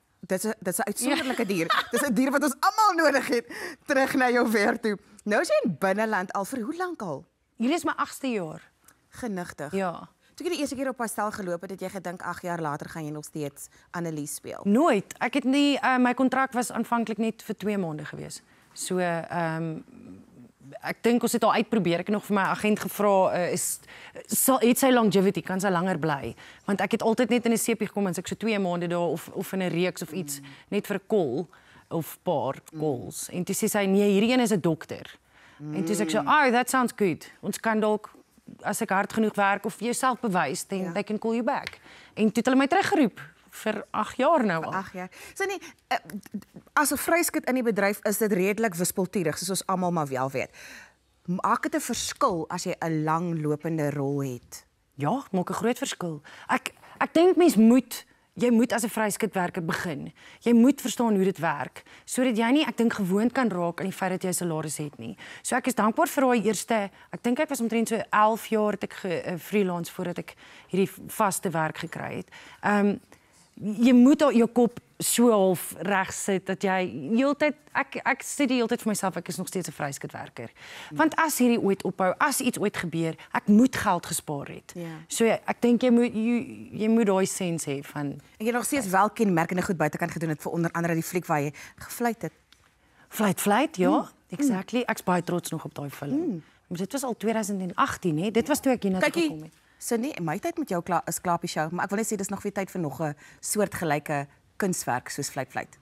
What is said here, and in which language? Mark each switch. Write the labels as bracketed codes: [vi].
[af] Dis 'n uitsonderlike dier. Dis 'n dier wat ons almal nodig het. Terug na jou werk toe. Nou is jy in binneland al vir hoe lank al? Hierdie is my 8ste jaar. Genigtig. Ja. Toe jy die eerste keer op pastel geloop het, het jy gedink 8 jaar later gaan jy nog steeds Annelies speel. Nooit. Ek het nie my kontrak was aanvanklik net vir 2 maande gewees. So ek dink ons het al uitprobeer. Ek het nog vir my agent gevra het sy longevity, kan sy langer bly? Want ek het altyd net in 'n seepie gekom as ek so 2 maande daar of in 'n reeks of iets net vir 'n call of paar calls. En toe sê sy nee, hierdie een is 'n dokter. En toe sê ek so, [en] that sounds good. [af] Ons kan dalk as ek hard genoeg werk of jouself bewys, [en] then they can call you back. [af] En toe het hulle my teruggeroep vir 8 jaar nou al. 8 jaar. So nee, as 'n vryskut in die bedryf is dit redelik wispelturig, soos ons almal maar wel weet. Maak dit 'n verskil as jy 'n lang lopende rol het? Ja, maak 'n groot verskil. Ek dink mens moet jy moet as 'n vryskutwerker begin. Jy moet verstaan hoe dit werk sodat jy nie ek dink gewoond kan raak aan die feit dat jy 'n salaris het nie. So ek is dankbaar vir daai eerste, ek dink ek was omtrent so 11 jaar het ek freelance voordat ek hierdie vaste werk gekry het. Jy moet jou kop so half recht sit, dat jy heel tyd, ek sê die heel tyd vir myself, ek is nog steeds 'n vryskutwerker. Want as hierdie ooit ophou, as iets ooit gebeur, ek moet geld gespaar het. Ja. So ek dink jy moet daai sens hê van... En jy nog steeds wel kenmerkende goed buitenkant gedoen het, vir onder andere die fliek waar jy gefluit het. Fluit, ja. Mm. Exactly. Ek is baie trots nog op daai film. Mm. Maar dit was al 2018, hè. Dit was toe ek hiernatoe gekom het. Cindy, my tyd met jou is klaar op die show, maar ek wil net sê, dis nog weer tyd vir nog 'n soortgelyke kunstwerk soos Fluit.